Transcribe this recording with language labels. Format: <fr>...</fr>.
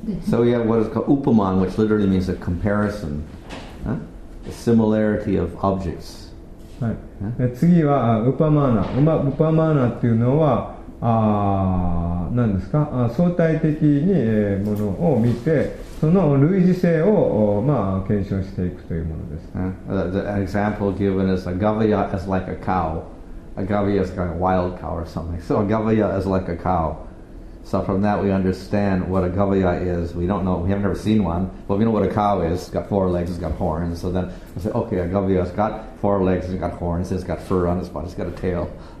<en>So we have what is called upaman, which literally means a comparison, a similarity of objects.</en> <ja>はい。で次はupamana. upamana っていうのは何ですか、相対的にものを見て、その類似性を、まあ、検証していくというものです。</ja> <en>The example given is a gavaya is like a cow. A gavaya is like a wild cow or something. So a gavaya is like a cow. So from that we understand what a gavaya is. We don't know, we have never seen one, but we know what a cow is. It's got four legs, it's got horns. So then we say, okay, a gavaya has got four legs, it's got horns, it's got fur on its body, it's got a tail.</en>